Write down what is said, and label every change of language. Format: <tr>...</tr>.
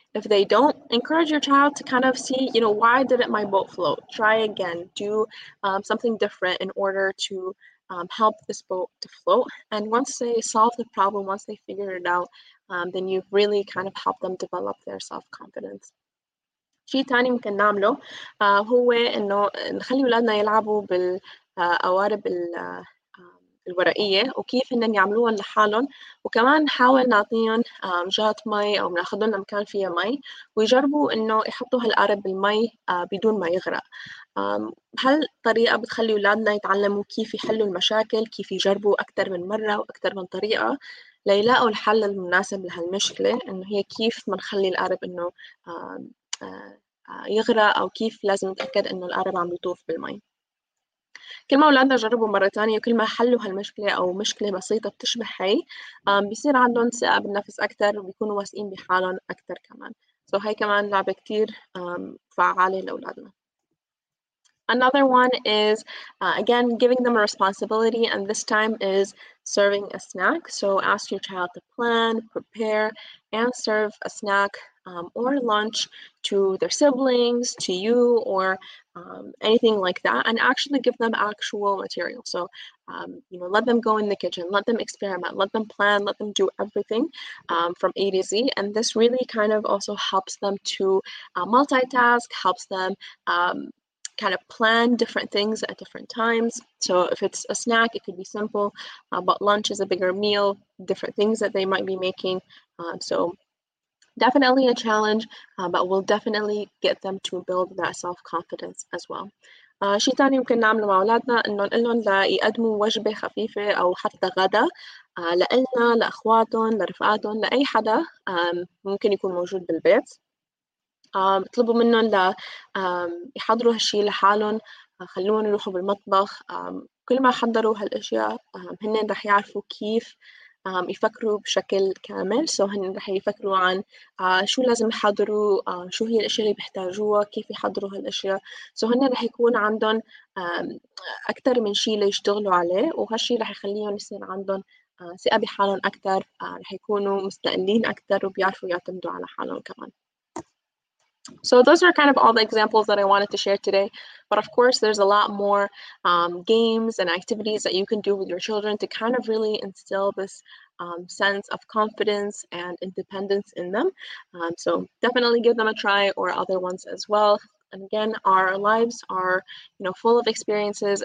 <en>If they don't, encourage your child to kind of see, you know, why didn't my boat float? Try again, do something different in order to help this boat to float. And once they solve the problem, once they figure it out, then you've really kind of helped them develop their self-confidence.</en> <ar>شيء تاني ممكن نعمله هو إنه نخلي أولادنا يلعبوا بالقوارب الورقية وكيف إنهم يعملوهن لحالهم وكمان نحاول نعطيهم جات مي أو ناخذهم لمكان فيها مي ويجربوا إنه يحطوا هالقارب بالمي بدون ما يغرق. هالطريقة بتخلي أولادنا يتعلموا كيف يحلوا المشاكل, كيف يجربوا أكثر من مرة وأكثر من طريقة ليلاقوا الحل المناسب لهالمشكلة, إنه هي كيف ما نخلي القارب إنه يغرق أو كيف لازم نتأكد إنه القارب عم يطوف بالماء. كل ما أولادنا جربوا مرة تانية وكل ما حلوا هالمشكلة أو مشكلة بسيطة بتشبه هي بيصير عندهم ثقة بالنفس أكتر وبيكونوا واثقين بحالهم أكتر كمان. So هاي كمان لعبة كتير فعالة لأولادنا.</ar> <en>Another one is, again, giving them a responsibility, and this time is serving a snack. So ask your child to plan, prepare, and serve a snack or lunch to their siblings, to you, or anything like that, and actually give them actual material. So, you know, let them go in the kitchen, let them experiment, let them plan, let them do everything from A to Z. And this really kind of also helps them to multitask, helps them kind of plan different things at different times. So if it's a snack, it could be simple, but lunch is a bigger meal, different things that they might be making. So definitely a challenge, but we'll definitely get them to build that self-confidence as well.</en> <ar>شيء تاني ممكن نعمله مع أولادنا إنه نقلهم ليقدموا وجبة خفيفة أو حتى غدا لإلنا, لأخواتهم, لرفقاتهم, لأي حدا ممكن يكون موجود بالبيت. طلبوا منهم يحضروا هالشيء لحالهم, خلوهم يروحوا بالمطبخ. كل ما حضروا هالأشياء هن رح يعرفوا كيف يفكروا بشكل كامل. سو هن رح يفكروا عن شو لازم يحضروا, شو هي الأشياء اللي بيحتاجوها, كيف يحضروا هالأشياء. سو هن رح يكون عندهم أكثر من شيء ليشتغلوا عليه, وهالشيء رح يخليهم يصير عندهم ثقة بحالهم أكثر, رح يكونوا مستقلين أكثر وبيعرفوا يعتمدوا على حالهم كمان.</ar> <en>So those are kind of all the examples that I wanted to share today. But of course, there's a lot more games and activities that you can do with your children to kind of really instill this sense of confidence and independence in them. So definitely give them a try or other ones as well. And again, our lives are, you know, full of experiences.</en>